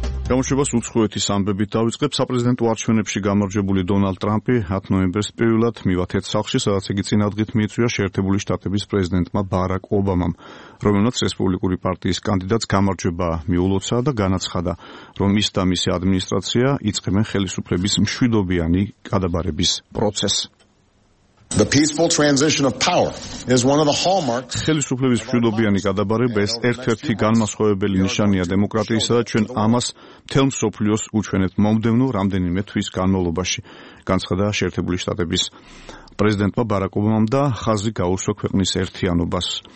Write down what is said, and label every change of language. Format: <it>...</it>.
<ka>გამოშვებას უცხოეთის ამბებით დავიწყებ. საპრეზიდენტო არჩევნებში გამარჯვებული დონალდ ტრამპი 10 ნოემბერს პირველად მივა თეთრ სახლში, სადაც იგი წინადგით მიიწვია შეერთებული შტატების პრეზიდენტმა ბარაკ ობამამ, რომელმაც რესპუბლიკური პარტიის კანდიდატს გამარჯვება მიულოცა და განაცხადა, რომ ის და მისი ადმინისტრაცია იწყებენ ხელისუფლების მშვიდობიანი გადაბარების პროცესს.</ka> <en>The peaceful transition of power is one of the hallmarks.</en> <ka>ხელისუფლების მშვიდობიანი გადაბარება ერთ-ერთი განმასხვავებელი ნიშანია დემოკრატიისა და ჩვენ ამას მთელ მსოფლიოს უჩვენებთ მომდევნო რამდენიმე თვის განმავლობაში, განცხადა შეერთებული შტატების პრეზიდენტმა ბარაკ ობამამ და ხაზი გაუსვა ქვეყნის ერთიანობას.</ka>